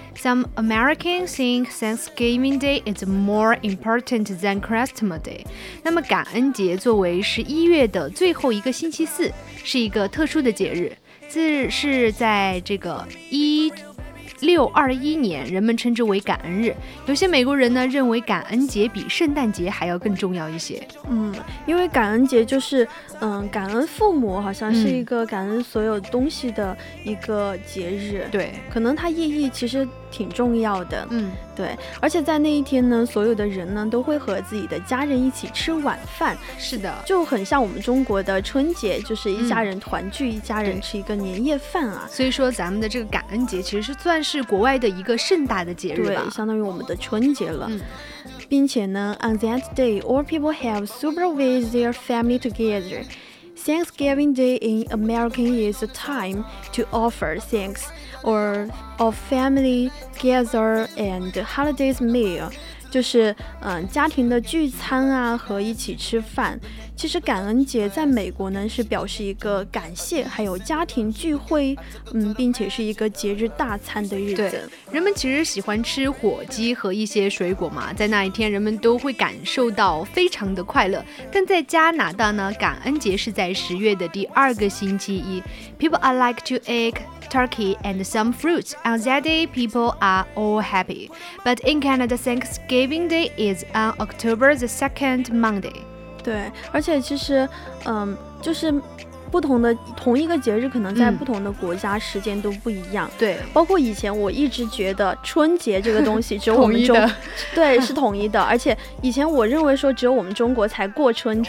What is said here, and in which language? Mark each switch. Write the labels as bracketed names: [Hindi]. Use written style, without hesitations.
[English] Some Americans think Thanksgiving Day is more important than Christmas Day. [Chinese] 那么感恩节作为11月的最后一个星期四，是一个特殊的节日，是在这个1621年，人们称之为感恩日。有些美国人呢认为感恩节比圣诞节还要更重要一些。因为感恩节就是感恩父母，好像是一个感恩所有东西的一个节日。对，可能它意义其实挺重要的。对，而且在那一天呢，所有的人呢都会和自己的家人一起吃晚饭。是的，就很像我们中国的春节，就是一家人团聚，一家人吃一个年夜饭啊。所以说咱们的这个感恩节其实是算是国外的一个盛大的节日吧，对，相当于我们的春节了。并且呢 [English] On that day, all people have super with their family together. Thanksgiving Day in America is a time to offer thanks or of family gather and holidays meal. [Chinese] 就是家庭的聚餐啊和一起吃饭。其实感恩节在美国呢是表示一个感谢还有家庭聚会，并且是一个节日大餐的日子。对，人们其实喜欢吃火鸡和一些水果嘛，在那一天人们都会感受到非常的快乐。但在加拿大呢，感恩节是在10月的第二个星期一。 [English] People are like to eat turkey and some fruit. On that day, people are all happy. But in Canada, Thanksgiving Day is on October the 2nd Monday. [Chinese] 对，而且其实，就是不同的同一个节日，可能在不同的国家时间都不一样。对，包括以前我一直觉得春节这个东西只有我们中，对，是统一的。而且以前我认为说只有我们中国才过春节，